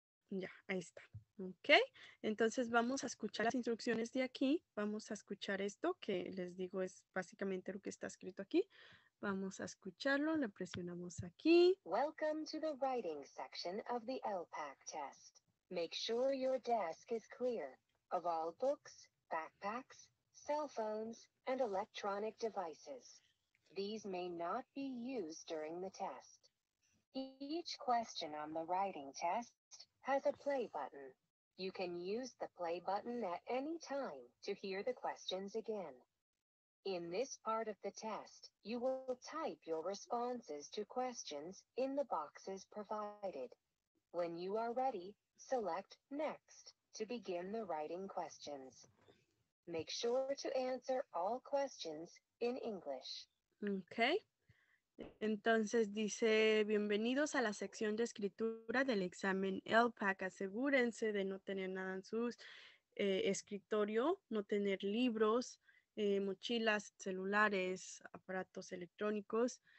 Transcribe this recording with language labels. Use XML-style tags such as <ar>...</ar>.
<es>Ya, ahí está. Ok, entonces vamos a escuchar las instrucciones de aquí. Vamos a escuchar esto que les digo es básicamente lo que está escrito aquí. Vamos a escucharlo, le presionamos aquí.</es> <en>Welcome to the writing section of the LPAC test. Make sure your desk is clear of all books, backpacks, cell phones, and electronic devices. These may not be used during the test. Each question on the writing test has a play button. You can use the play button at any time to hear the questions again. In this part of the test, you will type your responses to questions in the boxes provided. When you are ready, select Next to begin the writing questions. Make sure to answer all questions in English. Okay.</en> <es>Entonces dice, bienvenidos a la sección de escritura del examen LPAC. Asegúrense de no tener nada en su escritorio, no tener libros, mochilas, celulares, aparatos electrónicos.</es>